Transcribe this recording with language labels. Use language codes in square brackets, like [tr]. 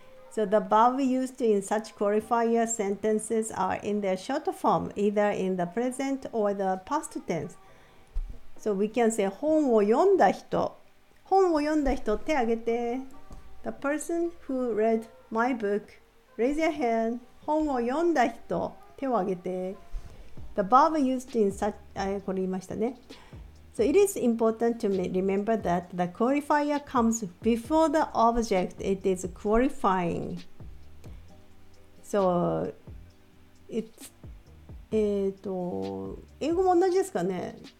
[en] So the verb used in such qualifier sentences are in their short form, either in the present or the past tense. So we can say [ja] 本を読んだ人。本を読んだ人手挙げて。 [en] The person who read my book, raise your hand. [ja] 本を読んだ人手を挙げて。 [en] The verb used in such, [ja] これ言いましたね。 [en] So it is important to remember that the qualifier comes before the object it is qualifying. So it's, [ja] 英語も同じですかね。